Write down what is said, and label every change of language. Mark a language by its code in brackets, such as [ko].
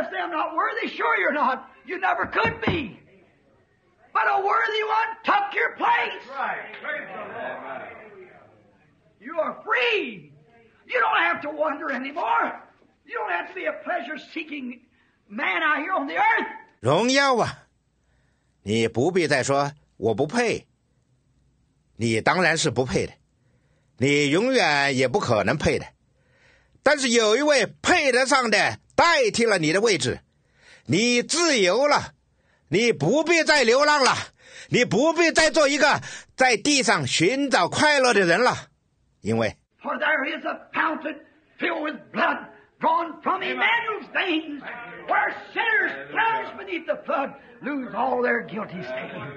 [en] Not worthy, sure you're not. You never could be. But a worthy one took your place. That's right. You are free. You don't have to wonder anymore. You don't have to be a pleasure-seeking man out here on the earth. [zh] 荣耀啊，你不必再说我不配。你当然是不配的，你永远也不可能配的。但是有一位配得上的代替了你的位置。你自由了，你不必再流浪了，你不必再做一个在地上寻找快乐的人了，因为 [en] For there is a fountain filled with blood drawn from Emmanuel's veins where sinners plunge beneath the flood lose all their guilty stain.